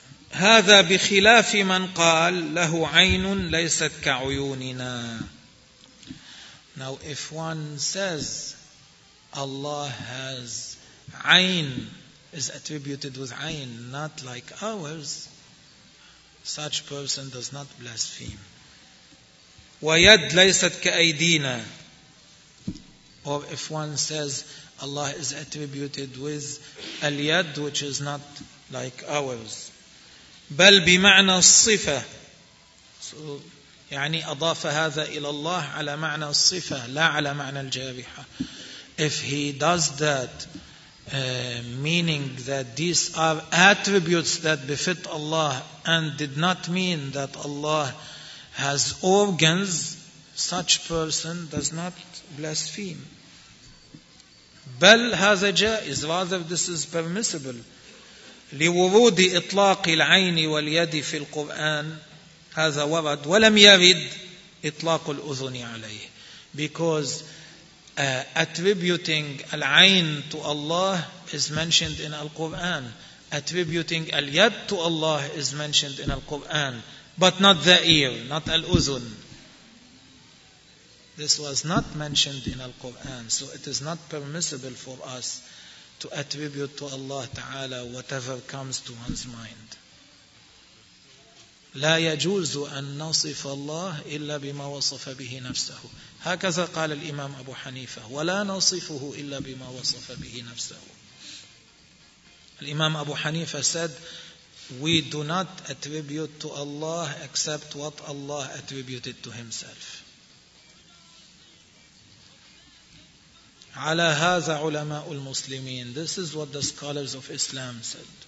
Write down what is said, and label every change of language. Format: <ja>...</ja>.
<ar>هذا بخلاف من قال له عين ليست كعيوننا.</ar> <en>Now if one says Allah has عين, is attributed with عين not like ours, such person does not blaspheme.</en> <ar>ويد ليست كأيدينا.</ar> <en>Or if one says Allah is attributed with اليد, which is not like ours.</en> <ar>بل بمعنى الصفة. So, يعني أضاف هذا إلى الله على معنى الصفة لا على معنى الجارحة.</ar> <en>If he does that, meaning that these are attributes that befit Allah and did not mean that Allah has organs, such person does not blaspheme.</en> <ar>بل هذا جائز,</ar> <en>rather this is permissible.</en> <ar>لورود إطلاق العين واليد في القرآن هذا ورد, ولم يرد إطلاق الأذن عليه.</ar> <en>Because attributing العين to Allah is mentioned in Al-Quran. Attributing اليد to Allah is mentioned in Al-Quran. But not the ear, not Al-Uzun. This was not mentioned in Al-Quran. So it is not permissible for us to attribute to Allah Ta'ala whatever comes to one's mind.</en> <ar>لا يجوز أن نصف الله إلا بما وصف به نفسه. هكذا قال الإمام أبو حنيفة, ولا نصفه إلا بما وصف به نفسه.</ar> <en>الإمام أبو حنيفة said, we do not attribute to Allah except what Allah attributed to himself.</en> <ar>على هذا علماء المسلمين.</ar> <en>This is what the scholars of Islam said.</en>